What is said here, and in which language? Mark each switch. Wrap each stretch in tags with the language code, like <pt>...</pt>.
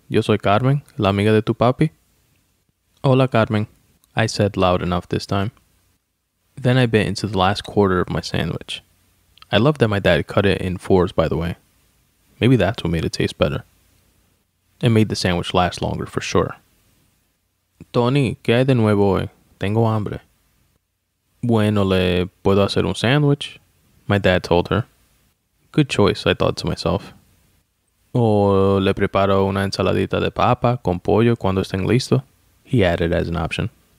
<es>Yo soy Carmen, la amiga de tu papi. Hola,</es> <en>Carmen, I said loud enough this time. Then I bit into the last quarter of my sandwich. I love that my dad cut it in fours, by the way. Maybe that's what made it taste better. It made the sandwich last longer, for sure.</en> <es>Tony, ¿qué hay de nuevo hoy? Tengo hambre. Bueno, le puedo hacer un sandwich,</es> <en>my dad told her. Good choice, I thought to myself.</en> <es>O le preparo una ensaladita de papa con pollo cuando estén listo,</es> <en>he added as an option.</en>